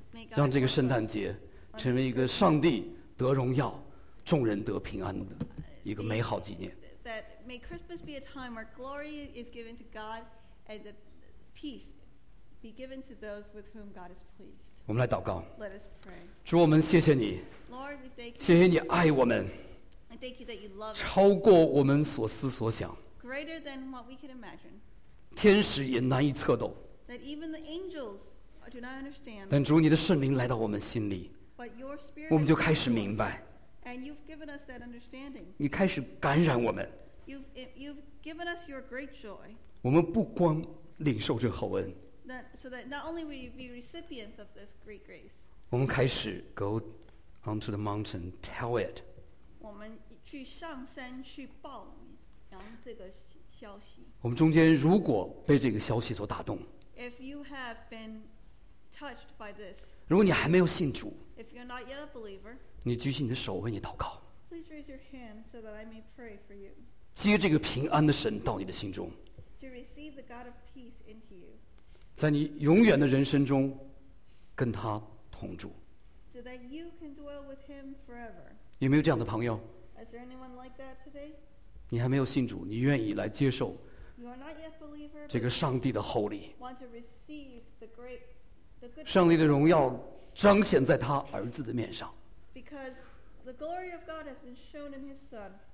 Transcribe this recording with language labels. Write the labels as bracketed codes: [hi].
[zh] 让这个圣诞节成为一个上帝得荣耀。众人得平安的一个美好纪念。 [en] That may Christmas be a time where glory is given to God and the peace be given to those with whom God is pleased. [zh] 我们来祷告。 [en] Let us pray. [zh] 主，我们谢谢你。 [en] Lord, we thank you. [zh] 谢谢你爱我们。 [en] I thank you that you love us. [zh] 超过我们所思所想。 [en] Greater than what we can imagine. [zh] 天使也难以测度。 [en] That even the angels do not understand. [zh] 但主，你的圣灵来到我们心里。 [en] But your spirit. [zh] 我们就开始明白。 [en] And you've given us that understanding. [zh] 你开始感染我们。 [en] You've given us your great joy. [zh] 我们不光领受这厚恩。 [en] So that not only will you be recipients of this great grace. [zh] 我们开始 [en] go onto the mountain, tell it. [zh] 我们去上山去报扬这个消息。我们中间如果被这个消息所打动。 [en] If you have been touched by this. [zh] 如果你还没有信主。 [en] If you're not yet a believer. [zh] 你举起你的手为你祷告。 [en] Please raise your hand so that I may pray for you. [zh] 接这个平安的神到你的心中。 [en] To receive the God of peace into you. [zh] 在你永远的人生中跟他同住。 [en] So that you can dwell with him forever. [zh] 有没有这样的朋友？ [en] Is there anyone like that today? [zh] 你还没有信主，你愿意来接受。 [en] You are not yet a believer. [zh] 这个上帝的厚礼。 [en] Want to receive the great, the good. [zh] 上帝的荣耀彰显在他儿子的面上。 [en] Because the glory of God has been shown in His Son.